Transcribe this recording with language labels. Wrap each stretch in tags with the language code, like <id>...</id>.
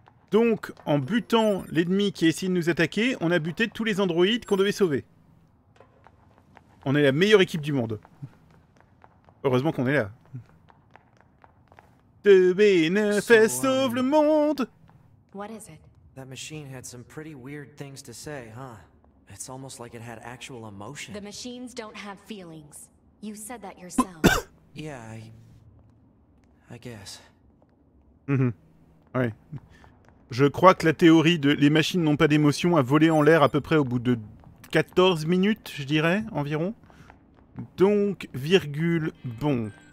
<fr>Donc, en butant l'ennemi qui a essayé de nous attaquer, on a buté tous les androïdes qu'on devait sauver. On est la meilleure équipe du monde. Heureusement qu'on est là. De bénéfice sauve le monde.</fr> <en>What is it? That machine had some pretty weird things to say, huh? It's almost like it had actual emotion. The machines don't have feelings. You said that yourself. Yeah, I guess. Mm-hmm.</en> <fr>Ouais. Je crois que la théorie de les machines n'ont pas d'émotion a volé en l'air à peu près au bout de 14 minutes, je dirais, environ. Donc, virgule, bon.</fr>